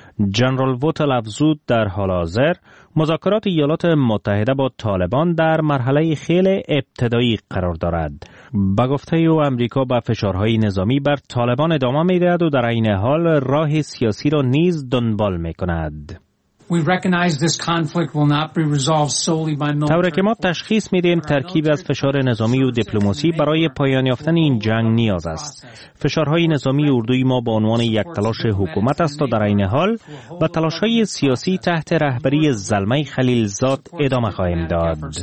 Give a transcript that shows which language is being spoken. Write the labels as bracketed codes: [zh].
[fa] جنرال ووتل افزود در حال حاضر مذاکرات ایالات متحده با طالبان در مرحله خیلی ابتدایی قرار دارد. به گفته او، آمریکا با فشارهای نظامی بر طالبان ادامه می‌دهد و در عین حال راه سیاسی را نیز دنبال می‌کند. [en] We recognize this conflict will not be resolved solely by military. [fa] طوری که ما تشخیص می‌دهیم ترکیب از فشار نظامی و دیپلماسی برای پایان یافتن این جنگ نیاز است. فشارهای نظامی اردوی ما به عنوان یک تلاش حکومت است و در عین حال با تلاش‌های سیاسی تحت رهبری زلمه خلیلزاد ادامه خواهیم داد.